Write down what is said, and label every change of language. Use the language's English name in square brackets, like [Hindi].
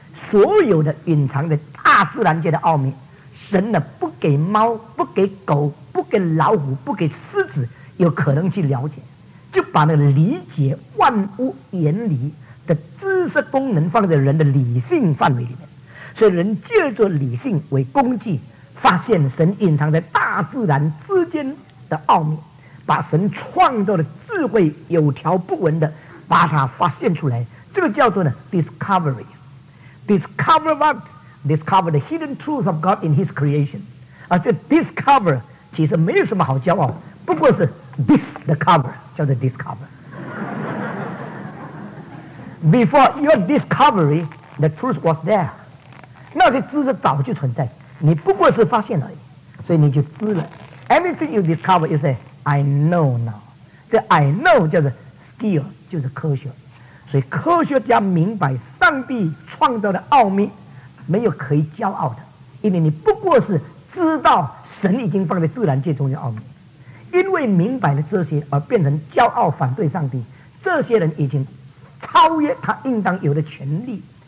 [Chinese] 所有的隐藏的大自然界的奥秘，神呢不给猫，不给狗，不给老虎，不给狮子有可能去了解，就把那个理解万物原理的知识功能放在人的理性范围里面，所以人借着理性为工具，发现神隐藏在大自然之间的奥秘，把神创造的智慧有条不紊的把它发现出来，这个叫做呢 discovery。 [English] Discover what? Discover the hidden truth of God in His creation. [Chinese] 啊，这 discover 其实没有什么好骄傲，不过是 discover 叫做 discover。 [English] Before your discovery, the truth was there. [Chinese] 那些知识早就存在，你不过是发现而已，所以你就知了。 [English] Everything you discover, you say, I know now. [Chinese] 这 I know 叫做 skill， 就是科学。所以科学家明白上帝创造的奥秘，没有可以骄傲的，因为你不过是知道神已经放在自然界中的奥秘。因为明白了这些而变成骄傲反对上帝，这些人已经超越他应当有的权利。